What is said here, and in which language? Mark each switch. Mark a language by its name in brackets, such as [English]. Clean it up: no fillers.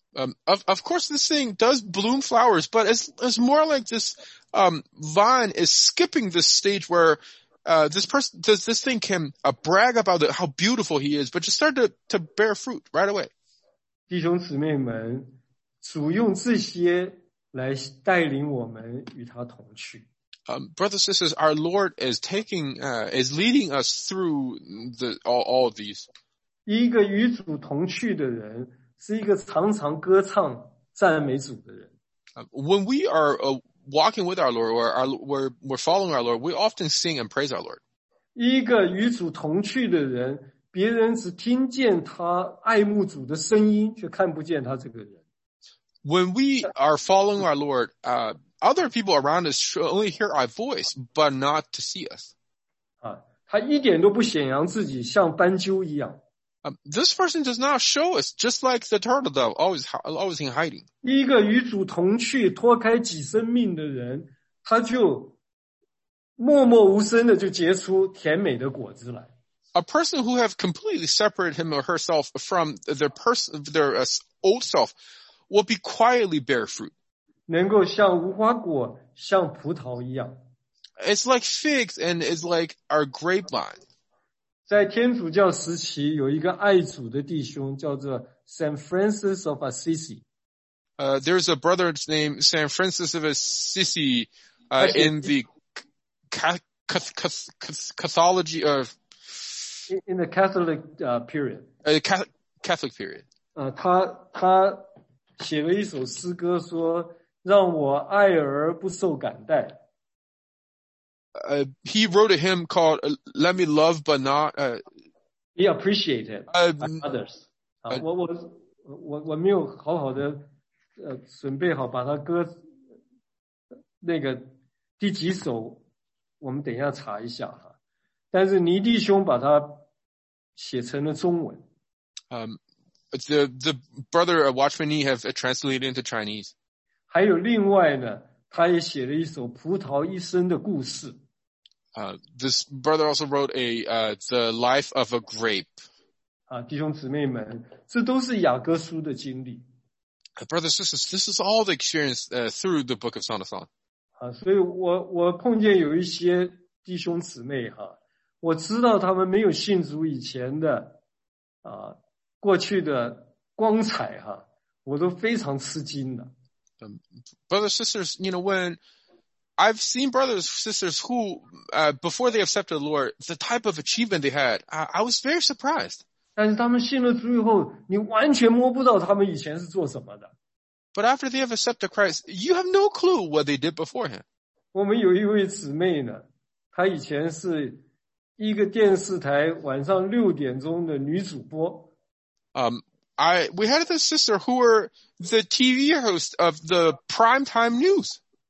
[English] Of course, this thing does bloom flowers, but it's more like this vine is skipping this stage where this thing can brag about how beautiful he is, but just start to bear fruit right away. [Chinese] 弟兄姊妹们，主用这些。来带领我们与他同去。 [English] Brothers and sisters, our Lord is taking, is leading us through all of these. [Chinese] 一个与主同去的人是一个常常歌唱赞美主的人。 [English] When we are walking with our Lord, or we're following our Lord, we often sing and praise our Lord. [Chinese] 一个与主同去的人，别人只听见他爱慕主的声音，却看不见他这个人。 [English] When we are following our Lord, other people around us should only hear our voice, but not to see us. [Chinese] 他一点都不显扬自己，像斑鸠一样。 [English] This person does not show us, just like the turtle dove, always in hiding. [Chinese] 一个与主同去，脱开己生命的人，他就默默无声的就结出甜美的果子来。 [English] A person who have completely separated him or herself from their old self,will be quietly bear fruit. [Chinese] 能够像无花果像葡萄一样。 [English] It's like figs and it's like our grapevine. [Chinese] 在天主教时期有一个爱主的弟兄叫做 San Francis of Assisi. [English] There's a brother's name, San Francis of Assisi, in the Catholicology of... In the Catholic period. Catholic period. [Chinese] 他写了一首诗歌说让我爱而不受感戴。 [English] He wrote a hymn called Let Me Love But Not Be Appreciated by Others. [Chinese] 我没有好好的准备好把它歌那个第几首我们等一下查一下哈。但是尼弟兄把它写成了中文。 [English] The brother of Watchman Nee have translated into Chinese. [Chinese] 还有另外呢他也写了一首葡萄一生的故事。 [English] This brother also wrote The Life of a Grape. [Chinese] 弟兄姊妹们这都是雅各书的经历。 [English] Brothers, sisters, this is all the experience through the Book of Song of Song. [Chinese] 所以我碰见有一些弟兄姊妹哈我知道他们没有信主以前的过去的光彩哈我都非常吃惊的。 [English] Brothers, sisters, you know, when I've seen brothers, sisters who, before they accepted the Lord, the type of achievement they had, I was very surprised. [Chinese] 但是他们信了主以后你完全摸不到他们以前是做什么的。 [English] But after they have accepted Christ, you have no clue what they did beforehand. [Chinese] 我们有一位姊妹呢她以前是一个电视台晚上六点钟的女主播。 [English] We had this sister who were the TV host of the primetime news.